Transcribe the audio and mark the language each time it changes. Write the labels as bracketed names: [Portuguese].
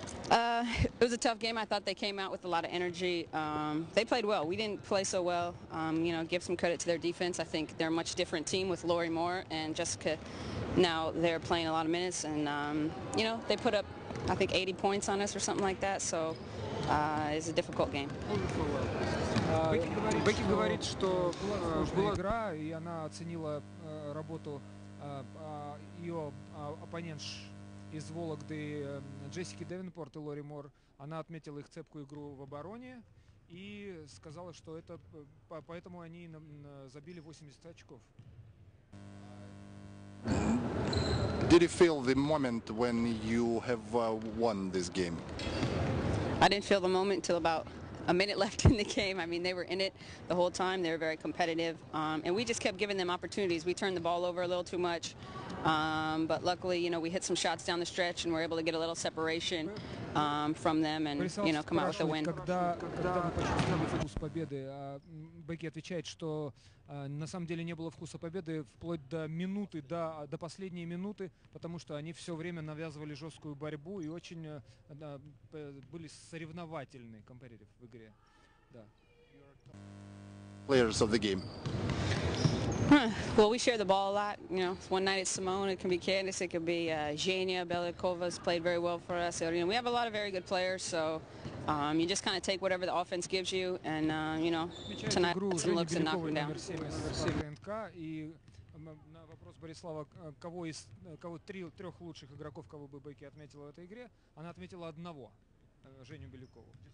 [English] It was a tough game. I thought they came out with a lot of energy. They played well. We didn't play so well. You know, give some credit to their defense. I think they're a much different team with Lori Moore and Jessica. Now they're playing a lot of minutes, and you know, they put up, I think, 80 points on us or something like that. So it's a difficult game. [Russian] Бекки говорит, что была игра, и она оценила работу ее оппонентш. Из Вологды Джессики Дэвенпорт и Лори Мор. Она отметила их цепкую игру в обороне и сказала, что это поэтому они забили 80 очков. [English] Did you feel the moment when you have won this game? I didn't feel the moment until about a minute left in the game. I mean, they were in it the whole time. They were very competitive. And we just kept giving them opportunities. We turned the ball over a little too much. But luckily, you know, we hit some shots down the stretch and we're able to get a little separation from them and, you know, come out with a win. [Russian] Когда вы почувствовали вкус победы? Бекки отвечает, что на самом деле не было вкуса победы вплоть до минуты, до последней минуты, потому что они все время навязывали жесткую борьбу и очень были соревновательны, competitive в игре. Да. [English] Players of the game. Well, we share the ball a lot. You know, one night it's Simone, it can be Candice, it could be Zhenia Belikova's played very well for us. So, you know, we have a lot of very good players, so you just kind of take whatever the offense gives you, and you know, tonight some looks and knock them down. [Russian] И на вопрос Борислава, кого из кого трех лучших игроков, кого бы Бекки отметила в этой игре, она отметила одного, Женю Белюкову.